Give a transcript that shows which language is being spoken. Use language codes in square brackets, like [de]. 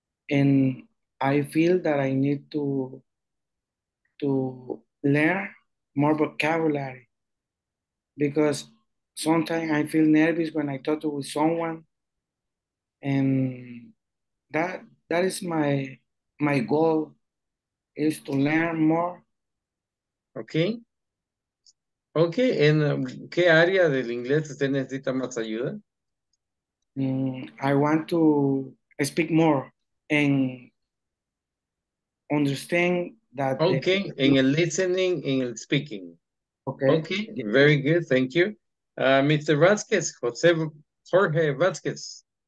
[en] And I feel that I need to learn more vocabulary because sometimes I feel nervous when I talk with someone, and that is my goal, is to learn more. Okay. Okay. [es] ¿En qué área del inglés usted necesita más ayuda? [en] I want to speak more and understand that. [es] Okay. En el listening, en el speaking. [en] Okay. Okay. Very good. Thank you. Mr. Vázquez, Jorge Vázquez.